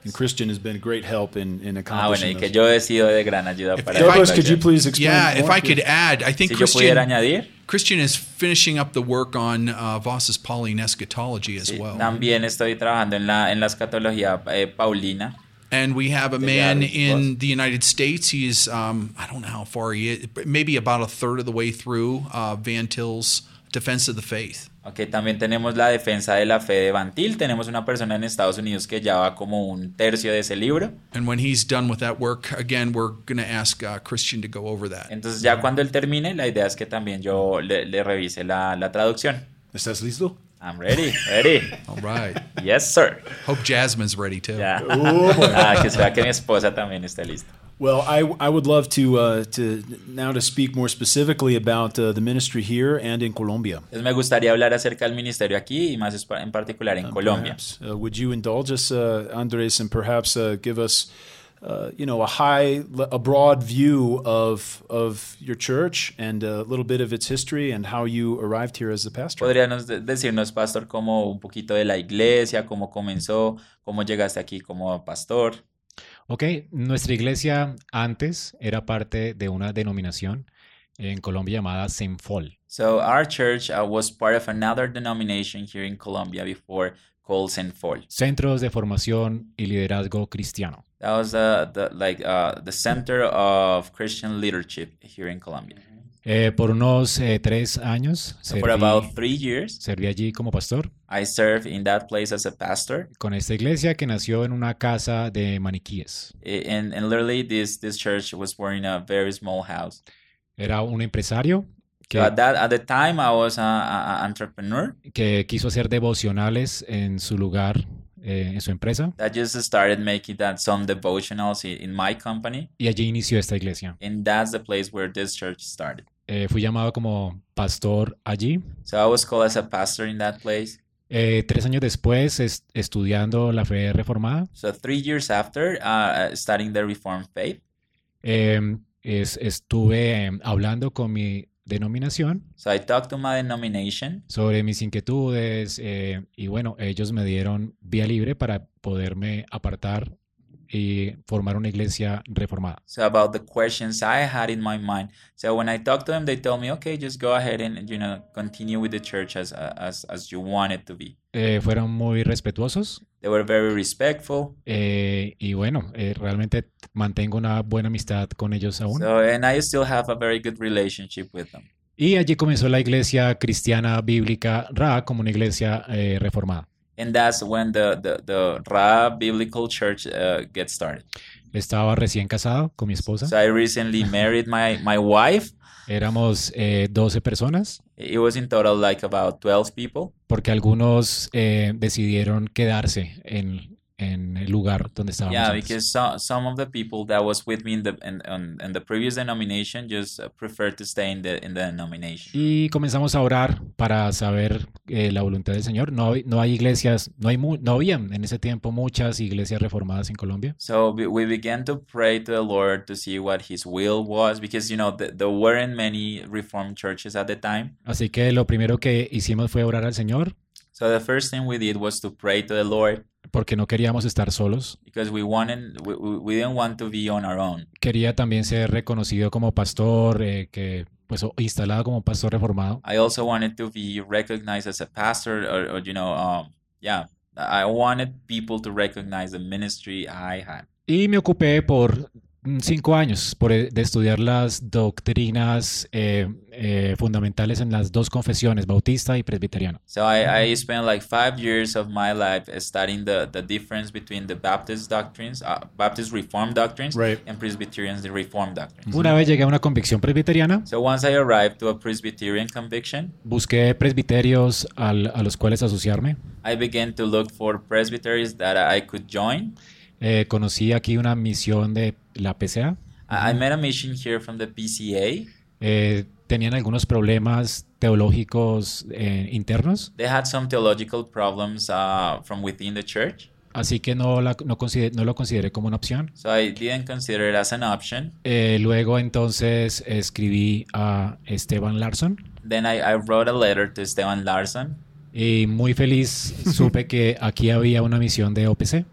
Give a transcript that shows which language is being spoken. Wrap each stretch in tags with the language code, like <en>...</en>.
<en>And Christian has been a great help in accomplishing</en> <es>Y que yo he sido de gran ayuda para</es> <en>Douglas, project. Could you please explain yeah, more? If I could add, I think</en> <es>si Christian, yo pudiera añadir.</es> <en>Christian is finishing up the work on Voss's Pauline eschatology as well.</en> <es>También estoy trabajando en la escatología paulina.</es> <en>And we have a man in the United States. He's, I don't know how far he is, but maybe about a third of the way through Van Til's Defense of the Faith.</en> <es>Okay, también tenemos la defensa de la fe de Van Til. Tenemos una persona en Estados Unidos que ya va como un tercio de ese libro.</es> <en>And when he's done with that work, again, we're going to ask Christian to go over that.</en> <es>Entonces ya cuando él termine, la idea es que también yo le revise la traducción. ¿Estás listo?</es> <en>I'm ready. Ready. All right. Yes, sir. Hope Jasmine's ready too. Yeah. Ooh.</en> <es>Que sea que mi esposa también esté lista.</es> <en>Well, I would love to speak more specifically about the ministry here and in Colombia.</en> <es>Me gustaría hablar acerca del ministerio aquí y más en particular en Colombia.</es> <en>Would you indulge us, Andres, and perhaps give us, a broad view of your church and a little bit of its history and how you arrived here as the pastor.</en> <es>¿Podrías decirnos, pastor, como un poquito de la iglesia, cómo comenzó, cómo llegaste aquí como pastor? Okay, nuestra iglesia antes era parte de una denominación en Colombia llamada Senfol.</es> <en>So our church was part of another denomination here in Colombia before called Senfol.</en> <es>Centros de formación y liderazgo cristiano.</es> <en>That was the center of Christian leadership here in Colombia.</en> <es>Por unos 3 años.</es> <en>So for about 3 years.</en> <es>Serví allí como pastor.</es> <en>I served in that place as a pastor.</en> <es>Con esta iglesia que nació en una casa de maniquíes.</es> <en>And literally this church was born in a very small house.</en> <es>Era un empresario.</es> <en>So at the time I was an entrepreneur.</en> <es>Que quiso hacer devocionales en su lugar. En su empresa.</es> <en>I just started making that some devotionals in my company.</en> <es>Y allí inició esta iglesia.</es> <en>And that's the place where this church started.</en> <es>Fui llamado como pastor allí.</es> <en>So I was called as a pastor in that place.</en> <es>3 años después, estudiando la fe reformada.</es> <en>So 3 years after studying the Reformed faith.</en> <es>Estuve hablando con mi denominación.</es> <en>So I talked to my denomination.</en> <es>Sobre mis inquietudes y bueno, ellos me dieron vía libre para poderme apartar y formar una iglesia reformada.</es> <en>So about the questions I had in my mind. So when I talked to them, they told me, okay, just go ahead and continue with the church as you want it to be.</en> <es>Fueron muy respetuosos.</es> <en>They were very respectful.</en> <es>Y bueno, realmente mantengo una buena amistad con ellos aún.</es> <en>So, and I still have a very good relationship with them.</en> <es>Y allí comenzó la iglesia cristiana bíblica RA como una iglesia reformada.</es> <en>And that's when the RA Biblical Church gets started.</en> <es>Estaba recién casado con mi esposa.</es> <en>So I recently married my wife.</en> <es>Éramos 12 personas.</es> <en>It was in total like about 12 people.</en> <es>Porque algunos decidieron quedarse en el lugar donde estábamos.</es> <en>Yeah,</en> <es>antes.</es> <en>Because some of the people that was with me in the previous denomination just preferred to stay in the denomination.</en> <es>Y comenzamos a orar para saber la voluntad del Señor. No había en ese tiempo muchas iglesias reformadas en Colombia.</es> <en>So we began to pray to the Lord to see what His will was, because there weren't many Reformed churches at the time.</en> <es>Así que lo primero que hicimos fue orar al Señor.</es> <en>So the first thing we did was to pray to the Lord.</en> <es>Porque no queríamos estar solos.</es> <en>Because we didn't want to be on our own.</en> <es>Quería también ser reconocido como pastor, instalado como pastor reformado.</es> <en>I also wanted to be recognized as a pastor, I wanted people to recognize the ministry I had.</en> <es>Y me ocupé por 5 años de estudiar las doctrinas fundamentales en las dos confesiones, bautista y presbiteriano.</es> <en>So I spent like 5 years of my life studying the difference between the Baptist doctrines, Baptist Reformed doctrines, right, and Presbyterians the Reformed doctrines.</en> <es>Una vez llegué a una convicción presbiteriana.</es> <en>So once I arrived to a Presbyterian conviction,</en> <es>busqué presbiterios a los cuales asociarme.</es> <en>I began to look for presbyteries that I could join.</en> <es>Conocí aquí una misión de la PCA.</es> <en>I met a mission here from the PCA.</en> <es>¿Tenían algunos problemas teológicos internos?</es> <en>They had some theological problems from within the church.</en> <es>Así que no lo consideré como una opción.</es> <en>So I didn't consider it as an option.</en> <es>Luego entonces escribí a Esteban Larson.</es> <en>Then I wrote a letter to Esteban Larson.</en> <es>Y muy feliz supe que aquí había una misión de OPC.</es>